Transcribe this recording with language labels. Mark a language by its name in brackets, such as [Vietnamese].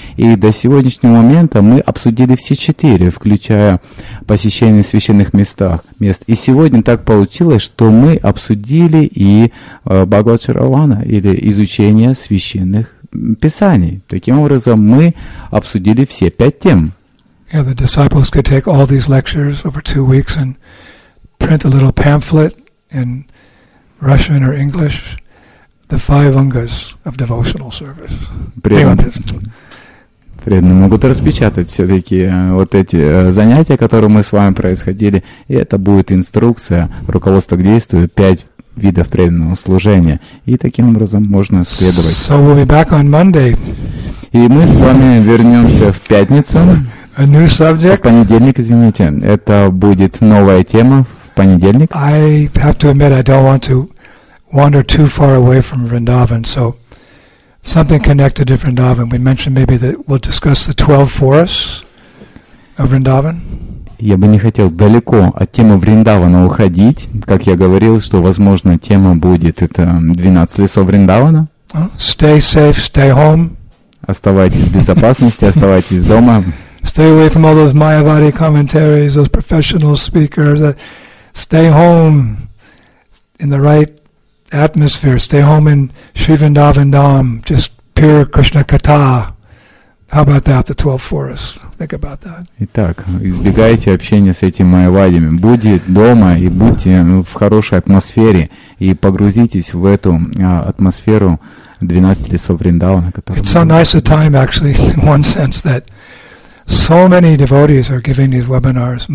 [Russian] И до сегодняшнего момента мы обсудили все четыре, включая посещение священных мест. И сегодня так получилось, что мы обсудили и Бхагавад-шаравана, или изучение священных писаний. Таким образом, мы обсудили все пять тем. [English] Yeah, the disciples could take all these lectures over 2 weeks and print a little pamphlet in Russian or English, the five angas of devotional service. [Russian] Преданные могут распечатать все-таки вот эти занятия, которые мы с вами происходили, и это будет инструкция, руководство к действию, пять видов преданного служения, и таким образом можно следовать. [English] So we'll be back on Monday. [Russian] И мы с вами вернемся в пятницу. [English] A new subject. [Russian] В понедельник, извините, это будет новая тема. Понедельник. [English] I have to admit I don't want to wander too far away from Vrindavan, so something connected to Vrindavan. We mentioned maybe that we'll discuss the 12 forests of Vrindavan. [Russian] Я бы не хотел далеко от темы Вриндавана уходить. Как я говорил, что, возможно, тема будет это 12 лесов Вриндавана. [English] Stay safe, stay home. [Russian] Оставайтесь в безопасности, оставайтесь дома. [English] Stay away from all those Mayavadi commentaries, those professional speakers. Stay home in the right atmosphere. Stay home in Sri Vrindavan Dham, just pure Krishna Katha. How about that, the 12 forests? Think about that. [Russian] Итак, избегайте общения с этими майявадами. Будьте дома и будьте в хорошей атмосфере и погрузитесь в эту атмосферу 12 лесов Вриндавана. [English] It's a nice time, actually, in one sense, that so many devotees are giving these webinars.